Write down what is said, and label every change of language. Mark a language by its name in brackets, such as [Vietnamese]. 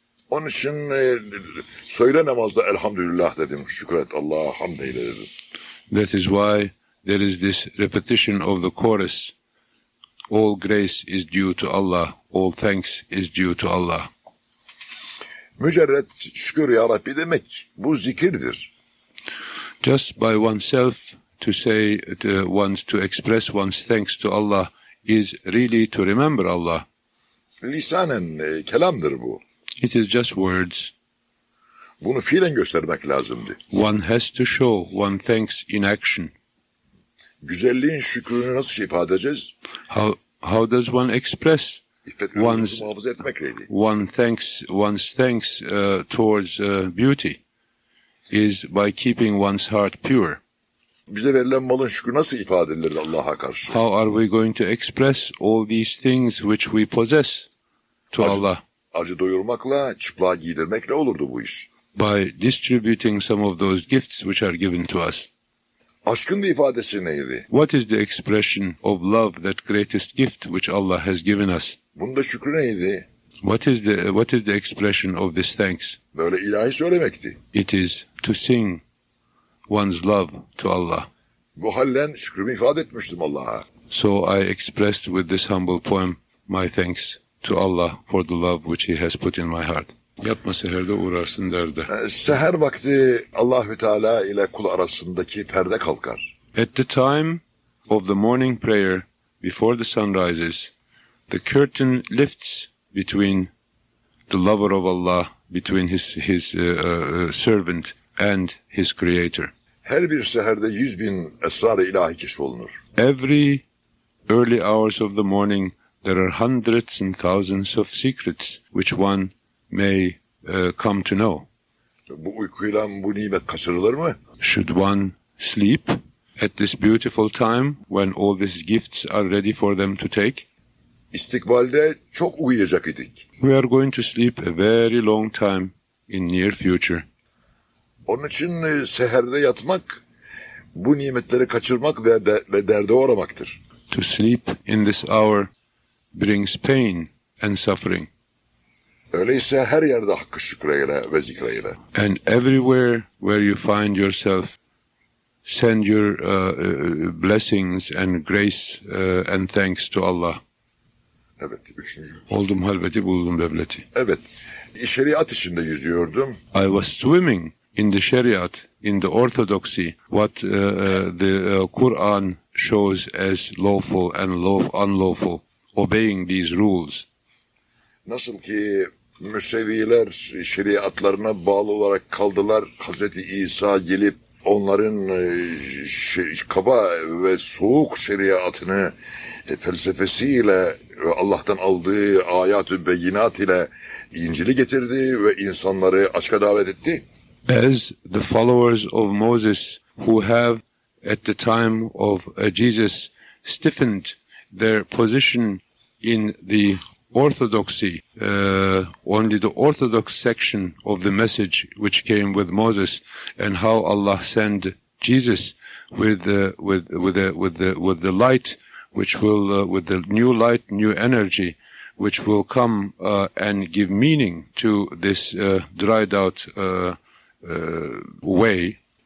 [Turkish] Onun için söyle namazda elhamdülillah dedim, şükür et Allah'a hamd eyle dedim. [English] That is why there is this repetition of the chorus. All grace is due to Allah, all thanks is due to Allah. [Turkish] Mücerret şükür ya Rabbi demek, bu zikirdir. [English] Just by oneself to say, to express one's thanks to Allah is really to remember Allah. [Turkish] Lisanen kelamdır bu. [English] It is just words. [Turkish] Bunu fiilen göstermek lazımdı. [English] One has to show one thanks in action. [Turkish] Güzelliğin şükrünü nasıl ifade edeceğiz? [English] How does one express one's thanks towards beauty is by keeping one's heart pure. [Turkish] Bize verilen malın şükrü nasıl ifade edilir Allah'a karşı? [English] How are we going to express all these things which we possess to Allah? [Turkish] Acı doyurmakla, çıplığa giydirmekle olurdu bu iş. [English] By distributing some of those gifts which are given to us. [Turkish] Aşkın bir ifadesi neydi? [English] What is the expression of love, that greatest gift which Allah has given us? [Turkish] Bunda şükrü neydi? [English] What is the expression of this thanks? [Turkish] Böyle ilahi söylemekti. [English] It is to sing one's love to Allah. [Turkish] Bu hallen şükrümü ifade etmiştim Allah'a. [English] So I expressed with this humble poem my thanks to Allah for the love which He has put in my heart. [Turkish] Yapma seherde uğrarsın derdi. Seher vakti Allahü Teala ile kul arasındaki perde kalkar. [English] At the time of the morning prayer, before the sun rises, the curtain lifts between the lover of Allah, between his servant and his creator. [Turkish] Her bir seherde 100,000 esrar-ı ilahi keşfolunur. [English] Every early hours of the morning, There are hundreds and thousands of secrets which one may come to know. [Turkish] Bu uykuyla bu nimet kaçırılır mı? [English] Should one sleep at this beautiful time when all these gifts are ready for them to take? [Turkish] İstikbalde çok uyuyacak idik. [English] We are going to sleep a very long time in near future. [Turkish] Onun için seherde yatmak, bu nimetleri kaçırmak ve derde uğramaktır. [English] To sleep in this hour brings pain and suffering. [Turkish] Öyleyse her yerde hakkı şükreyle ve zikreyle. [English] And everywhere where you find yourself, send your blessings and grace and thanks to Allah. [Turkish] Evet, üçüncü. Oldum halveti, buldum devleti. Evet, şeriat içinde yüzüyordum. [English] I was swimming in the şeriat, in the orthodoxy, what Quran shows as lawful and unlawful, obeying these rules. [Turkish] Nasıl ki Müseviler şeriatlarına bağlı olarak kaldılar, Hazreti İsa gelip onların kaba ve soğuk şeriatını felsefesiyle Allah'tan aldığı ayat ve beyinat ile İncil'i getirdi ve insanları aşka davet etti. [English] As the followers of Moses who have at the time of Jesus stiffened their position in the orthodoxy, only the orthodox section of the message which came with Moses, and how Allah sent Jesus with the light, which will with the new light, new energy, which will come and give meaning to this dried out way.